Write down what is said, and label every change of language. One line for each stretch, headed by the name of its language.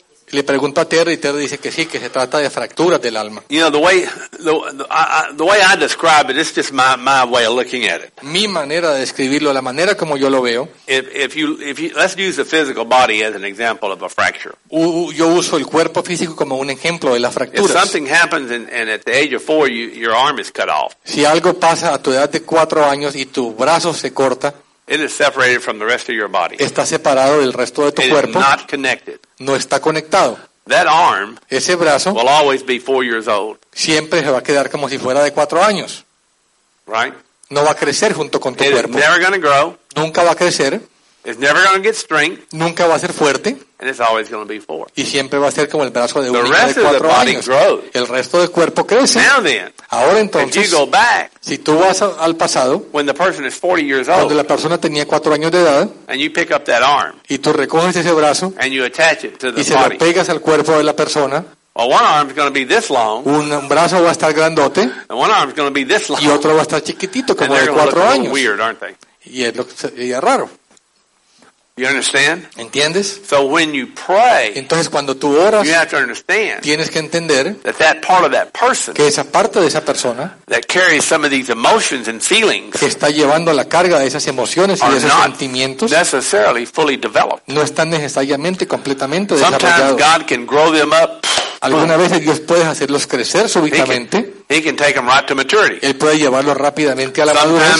Spanish: Le pregunto a Terry y Terry dice que sí, que se trata de fracturas del alma.
English: You know, the way I describe it, it's just my way of looking at it.
Spanish: Mi manera de describirlo, la manera como yo lo veo.
English: If you let's use the physical body as an example of a fracture.
Spanish: Yo uso el cuerpo físico como un ejemplo de las fracturas.
English: If something happens and at the age of 4 your arm is cut off.
Spanish: Si algo pasa a tu edad de 4 años y tu brazo se corta.
English: It is separated from the rest of your body.
Spanish: Está separado del resto de tu cuerpo.
English: It is not connected.
Spanish: No está conectado.
English: That arm,
Spanish: ese brazo,
English: will always be 4 years old.
Spanish: Siempre se va a quedar como si fuera de 4 años.
English: Right?
Spanish: No va a crecer junto con tu cuerpo.
English: It is never going to grow.
Spanish: Nunca va a crecer.
English: It's never going to get strength.
Spanish: Nunca va a ser fuerte.
English: And it's always going to be 4.
Spanish: Y siempre va a ser como el brazo de un niño de 4 años.
English: The rest of the body grows.
Spanish: El resto del cuerpo crece.
English: Now then,
Spanish: ahora entonces,
English: if you go back,
Spanish: si tú vas al pasado,
English: when the person is 40 years old,
Spanish: cuando la persona tenía 4 años de edad,
English: and you pick up that arm,
Spanish: y tú recoges ese brazo,
English: and you attach it to the
Spanish: y se lo pegas al cuerpo de la persona,
English: well, one arm's going to be this long,
Spanish: un brazo va a estar grandote,
English: and one arm's going to be this long,
Spanish: y otro va a estar chiquitito, como de 4 años.
English: Weird, aren't they?
Spanish: Y es raro.
English: You understand?
Spanish: ¿Entiendes?
English: So when you pray,
Spanish: entonces cuando tú oras,
English: you have to understand,
Spanish: tienes que entender
English: that part of that person,
Spanish: que esa parte de esa persona,
English: that carries some of these emotions and feelings,
Spanish: que está llevando la carga de esas emociones y de esos sentimientos,
English: necessarily fully developed.
Spanish: No están necesariamente completamente
English: desarrollados. Sometimes God can grow them up.
Spanish: Alguna vez Dios puede hacerlos crecer súbitamente.
English: He can take them right to maturity.
Spanish: Él puede llevarlos rápidamente a la
English: sometimes